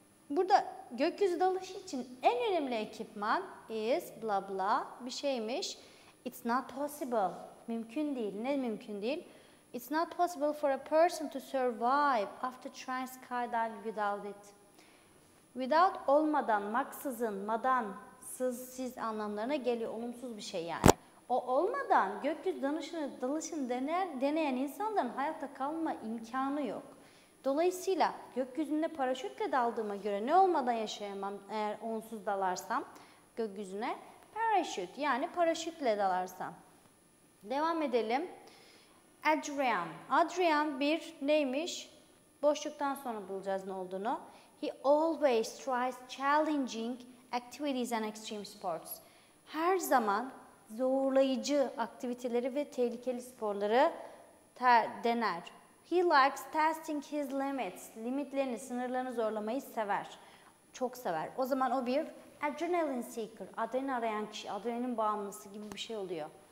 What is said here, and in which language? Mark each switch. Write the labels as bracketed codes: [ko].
[tr] Burada gökyüzü dalışı için en önemli ekipman is blah blah bir şeymiş. [en] It's not possible. [tr] Mümkün değil. Ne mümkün değil? [en] It's not possible for a person to survive after trying skydiving without it. [tr] Without olmadan, maksızın, madan, sızsız anlamlarına geliyor. Olumsuz bir şey yani. O olmadan gökyüzü dalışını deneyen insanların hayatta kalma imkanı yok. Dolayısıyla gökyüzünde paraşütle daldığıma göre ne olmadan yaşayamam eğer onsuz dalarsam gökyüzüne? Paraşüt yani paraşütle dalarsam. Devam edelim. Adrian. Adrian bir neymiş? Boşluktan sonra bulacağız ne olduğunu. [en] He always tries challenging activities and extreme sports. [tr] Her zaman zorlayıcı aktiviteleri ve tehlikeli sporları dener. [en] He likes testing his limits. [tr] Limitlerini, sınırlarını zorlamayı sever. Çok sever. O zaman o bir [en] adrenaline seeker. [tr] Adrenalin arayan kişi, adrenalin bağımlısı gibi bir şey oluyor.